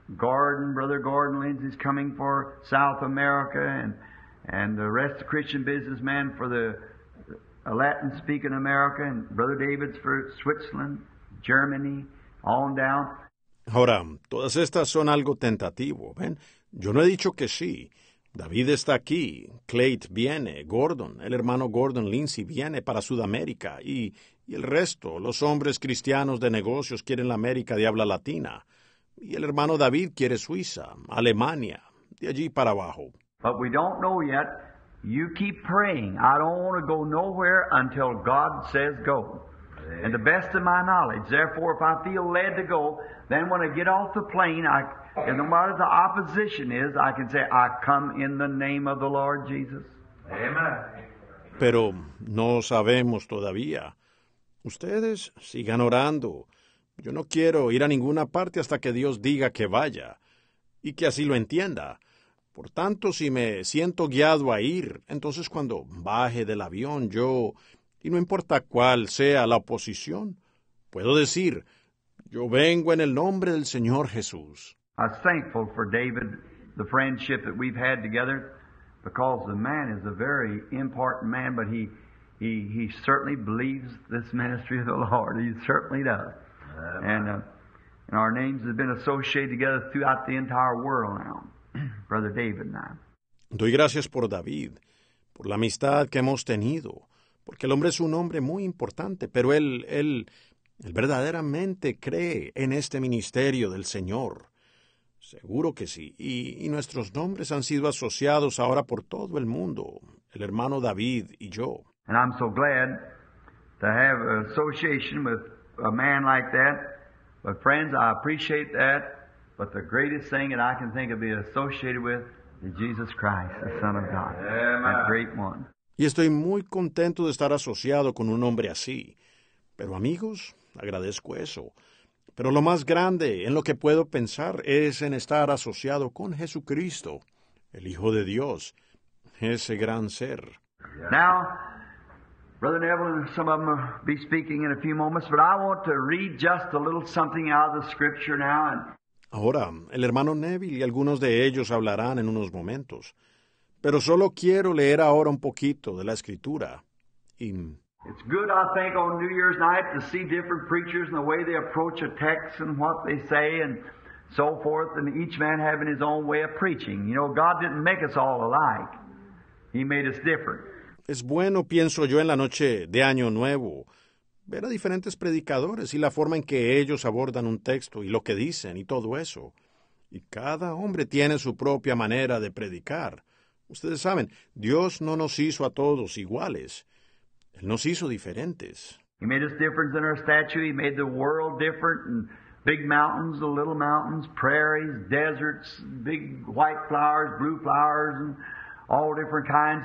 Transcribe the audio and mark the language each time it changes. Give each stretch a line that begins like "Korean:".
English: Gordon, Brother Gordon Lindsay's coming for South America and the rest of Christian businessmen for the Latin-speaking America, and Brother David's for Switzerland, Germany, on down.
Spanish: Ahora, todas estas son algo tentativo, ¿ven? Yo no he dicho que sí. David está aquí, Clayt viene, Gordon, el hermano Gordon Lindsay viene para Sudamérica, y el resto, los hombres cristianos de negocios quieren la América de habla latina. Y el hermano David quiere Suiza, Alemania, de allí para abajo.
English: But we don't know yet. You keep praying. I don't want to go nowhere until God says go. And the best of my knowledge, therefore, if I feel led to go, then when I get off the plane, no matter the opposition is, I can say, I come in the name of the Lord Jesus. Amen.
Spanish: Pero no sabemos todavía. Ustedes sigan orando. Yo no quiero ir a ninguna parte hasta que Dios diga que vaya y que así lo entienda. Por tanto, si me siento guiado a ir, entonces cuando baje del avión, yo, y no importa cuál sea la oposición, puedo decir, yo vengo en el nombre del Señor Jesús.
English: I'm thankful for David, the friendship that we've had together. Because the man is a very important man, but he certainly believes this ministry of the Lord. He certainly does. Amen. And our names have been associated together throughout the entire world now, Brother David and I.
Spanish: Doy gracias por David, por la amistad que hemos tenido, porque el hombre es un hombre muy importante, pero él verdaderamente cree en este ministerio del Señor. Seguro que sí. Y nuestros nombres han sido asociados ahora por todo el mundo, el hermano David y yo.
English: And I'm so glad to have an association with a man like that. But friends, I appreciate that. But the greatest thing that I can think of being associated with is Jesus Christ, the Son of God, Amen. That great one.
Spanish: Y estoy muy contento de estar asociado con un hombre así. Pero amigos, agradezco eso. Pero lo más grande en lo que puedo pensar es en estar asociado con Jesucristo, el Hijo de Dios, ese gran ser.
English: Now, Brother Neville and some of them will be speaking in a few moments, but I want to read just a little something out of the Scripture now.
Spanish: Ahora, el hermano Neville y algunos de ellos hablarán en unos momentos. Pero solo quiero leer ahora un poquito de la Escritura.
English: It's good, I think, on New Year's night to see different preachers and the way they approach a text and what they say and so forth, and each man having his own way of preaching. You know, God didn't make us all alike. He made us different.
Spanish: Es bueno, pienso yo, en la noche de Año Nuevo, ver a diferentes predicadores y la forma en que ellos abordan un texto y lo que dicen y todo eso. Y cada hombre tiene su propia manera de predicar. Ustedes saben, Dios no nos hizo a todos iguales. Él nos hizo diferentes.
English: He made us different than our stature. He made the world different. And big mountains, the little mountains, prairies, deserts, big white flowers, blue flowers, and all different kinds.